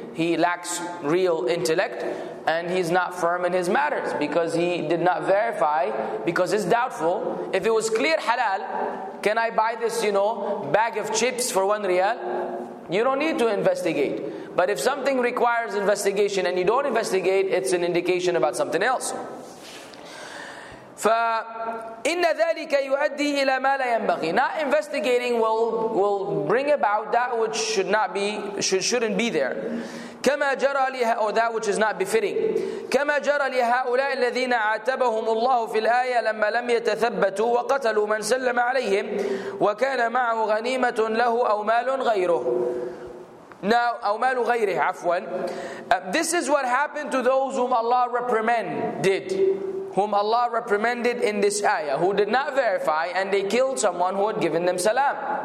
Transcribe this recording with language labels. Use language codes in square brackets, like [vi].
[en] He lacks real intellect. And he's not firm in his matters because he did not verify, because it's doubtful. If it was clear halal, can I buy this, bag of chips for 1 riyal? You don't need to investigate. But if something requires investigation and you don't investigate, it's an indication about something else. [ar] فإن ذلك يؤدي إلى ما لا ينبغي. [en] Not investigating will bring about that which should not be, shouldn't be there. [ar] كما جرى لها, [en] or that which is not befitting. [ar] كما جرى لهؤلاء الذين عاتبهم الله في الآية لما لم يتثبتوا وقتلوا من سلم عليهم وكان معه غنيمة له أو مال غيره. Now, أو مال غيره, عفوا. [en] This is what happened to those whom Allah reprimanded. Whom Allah reprimanded in this ayah, who did not verify, and they killed someone who had given them salam.